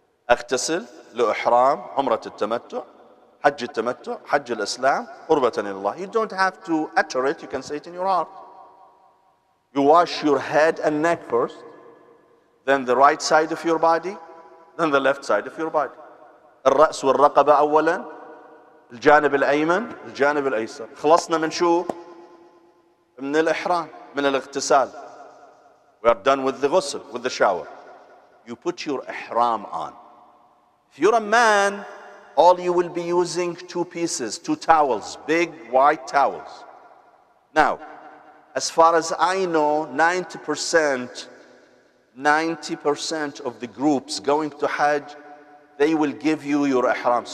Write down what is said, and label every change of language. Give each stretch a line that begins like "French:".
Arabic: اغتسل لإحرام عمرة التمتع حج التمتع حج الإسلام قربة لله.
English: You don't have to utter it, you can say it in your heart. You wash your head and neck first, then the right side of your body, then the left side of your body.
Arabic: الرأس والرقبة أولا, الجانب الأيمن الجانب الأيسر. خلصنا من شو؟ من الإحرام من الاغتسال.
English: We are done with the ghusl, with the shower. You put your إحرام on. If you're a man, all you will be using two pieces, two towels, big white towels. Now, as far as I know, 90% of the groups going to Hajj, they will give you your ihram.